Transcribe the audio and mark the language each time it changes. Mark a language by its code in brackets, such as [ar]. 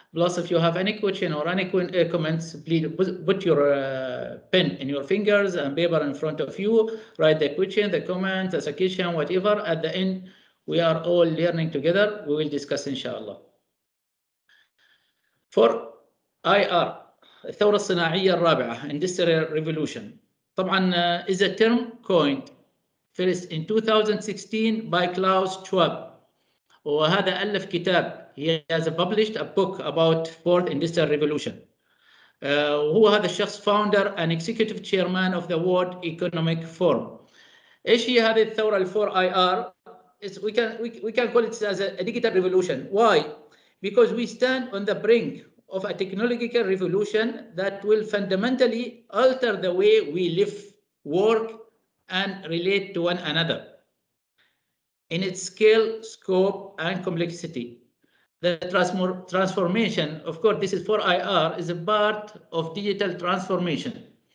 [en] Plus, if you have any question or any comments, please put your pen in your fingers and paper in front of you. Write the question, the comment, the suggestion, whatever. At the end, we are all learning together. We will discuss, inshallah. For IR, [ar] الثورة الصناعية الرابعة, [en] Industrial Revolution. طبعا, is a term coined first in 2016 by Klaus Schwab. [ar] وهذا ألف كتاب, [en] he has published a book about fourth industrial revolution. [ar] هو هذا الشخص [en] founder and executive chairman of the World Economic Forum. [ar] إيش هي هذه الثورة الفور آي آر؟ [en] we can call it as a digital revolution. Why? Because we stand on the brink of a technological revolution that will fundamentally alter the way we live, work, and relate to one another in its scale, scope, and complexity. The transformation, of course, this is for IR, is a part of digital transformation.